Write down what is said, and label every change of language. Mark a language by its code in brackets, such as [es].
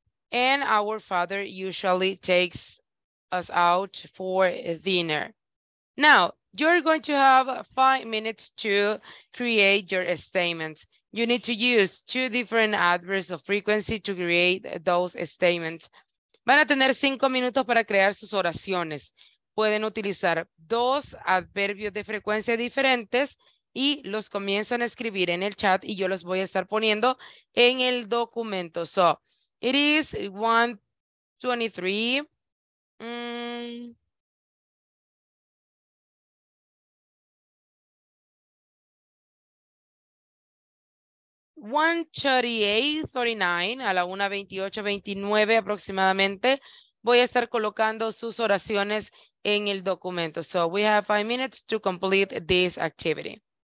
[en] And our father usually takes us out for dinner. Now, you're going to have 5 minutes to create your statements. You need to use two different adverbs of frequency to create those statements. [es] Van a tener 5 minutos para crear sus oraciones. Pueden utilizar 2 adverbios de frecuencia diferentes y los comienzan a escribir en el chat y yo los voy a estar poniendo en el documento. [en] So, it is 1:23. [es] A la 1:28:29 aproximadamente, voy a estar colocando sus oraciones en el documento. [en] So we have 5 minutes to complete this activity.